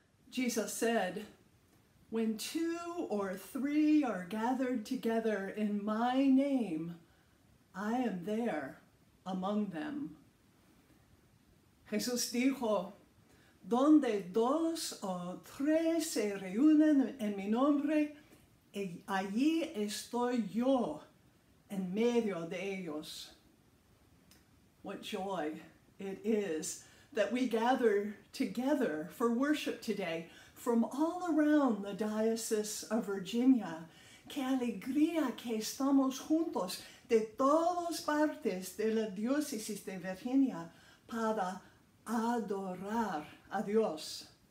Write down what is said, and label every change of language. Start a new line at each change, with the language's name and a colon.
English: Jesus said, when two or three are gathered together in my name, I am there among them.
Spanish: Jesús dijo, donde dos o tres se reúnen en mi nombre, allí estoy yo en medio de ellos.
English: What joy it is that we gather together for worship today from all around the Diocese of Virginia.
Spanish: Qué alegría que estamos juntos de todas partes de la Diócesis de Virginia para adorar a Dios.